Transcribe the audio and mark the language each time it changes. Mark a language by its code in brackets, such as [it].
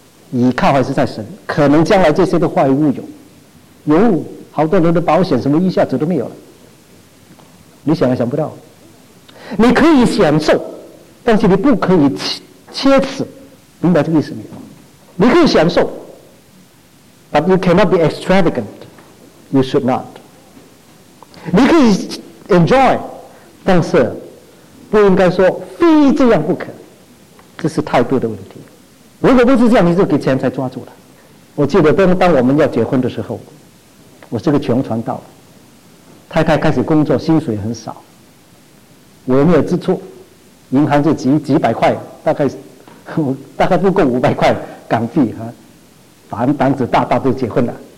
[zh] 依靠还是在神，可能将来这些都化为乌有，有好多人的保险什么一下子都没有了。你想也想不到，你可以享受，但是你不可以切齿，明白这个意思没有？你可以享受， [en] but you cannot be extravagant, you should not. [zh] 你可以 enjoy, 但是不应该说非这样不可，这是态度的问题。如果不是这样，你就给钱财抓住了。我记得当我们要结婚的时候，我是个穷传道，太太开始工作，薪水很少，我没有支出，银行就几百块，大概不够500块港币啊，板子大大就结婚了。